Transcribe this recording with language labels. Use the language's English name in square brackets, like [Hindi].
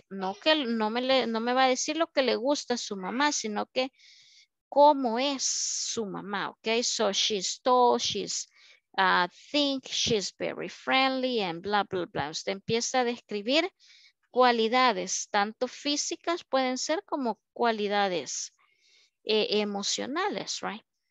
[Spanish] No que no me va a decir lo que le gusta a su mamá, sino que cómo es su mamá, okay? [English] So she's tall, she's think she's very friendly and blah, blah, blah. [Spanish] Usted empieza a describir cualidades, tanto físicas pueden ser como cualidades emocionales, right?